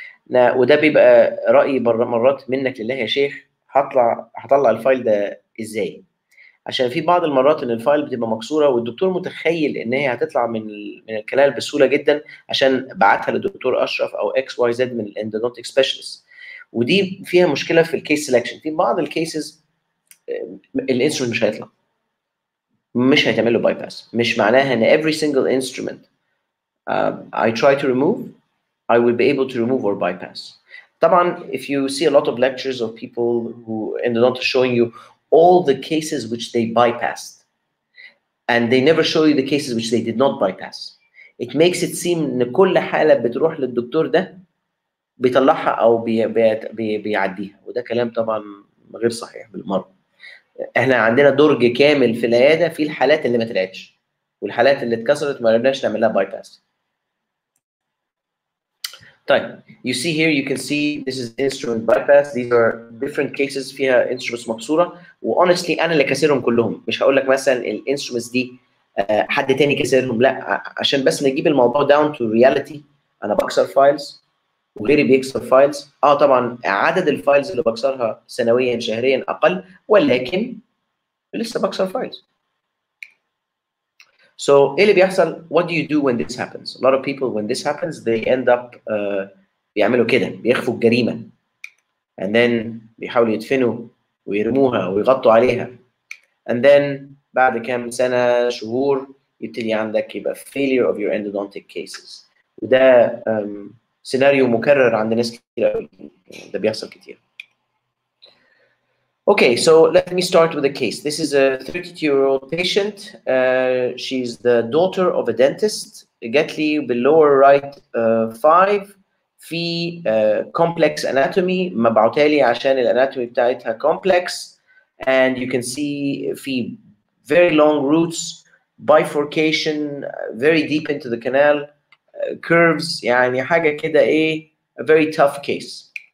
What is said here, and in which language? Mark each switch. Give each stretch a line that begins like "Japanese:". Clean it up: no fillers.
Arabic: وده بيبقى رايي مرات منك لله يا شيخ هطلع الفايل ده ازاي؟ عشان في بعض المرات ان الفايل بتبقى مكسوره والدكتور متخيل ان هي هتطلع من الكلال بسهوله جدا عشان بعتها للدكتور اشرف او اكس واي زد من الاندونتيك سبيشالست. ودي فيها مشكله في الكيس سيلكشن. في بعض الكيسز الانسترومنت مش هيطلع مش هيتعمل له باي باس. مش معناها ان
English: every single instrument I try to remove I will be able to remove or bypass.
Arabic: طبعا
English: if you see a lot of lectures of people who endodont are showing you all the cases which they bypassed and they never show you the cases which they did not bypass it makes it seem
Arabic: ان كل حاله بتروح للدكتور ده بيطلعها او بيعديها وده كلام طبعا غير صحيح بالمره. احنا عندنا درج كامل في العياده في الحالات اللي ما طلعتش والحالات اللي اتكسرت ما قدرناش نعمل لها باي باس. طيب
English: you see here, you can see this is instrument bypass. These are different cases
Arabic: فيها
English: instruments
Arabic: مكسورة. و
English: honestly
Arabic: أنا اللي كسرهم كلهم. مش هقول لك مثلا ال instruments دي حد تاني كسرهم, لا, عشان بس نجيب الموضوع
English: down to reality.
Arabic: أنا بكسر files وغيري بيكسر files. آه طبعا عدد الفايلز اللي بكسرها سنويا شهريا أقل, ولكن لسه بكسر files.
English: So, what do you do when this happens? A lot of people, when this happens, they end up
Arabic: بيعملوا كده, بيخفوا الجريمة.
English: And then,
Arabic: بيحاولوا يدفنوا ويرموها ويغطوا عليها. And then, بعد كام سنة, شهور, يبتدي عندك يبقى
English: failure of your endodontic cases.
Arabic: وده سيناريو مكرر عند ناس كتير, ده بيحصل كتير.
English: Okay, so let me start with a case. This is a 32-year-old patient. She's the daughter of a dentist. Gately, the lower right five.
Arabic: في
English: complex anatomy.
Arabic: مبعوتالي عشان الاناتومي بتاعتها complex.
English: And you can see
Arabic: في
English: very long roots, bifurcation, very deep into the canal, curves.
Arabic: يعني حاجة كده إيه,
English: a very tough case.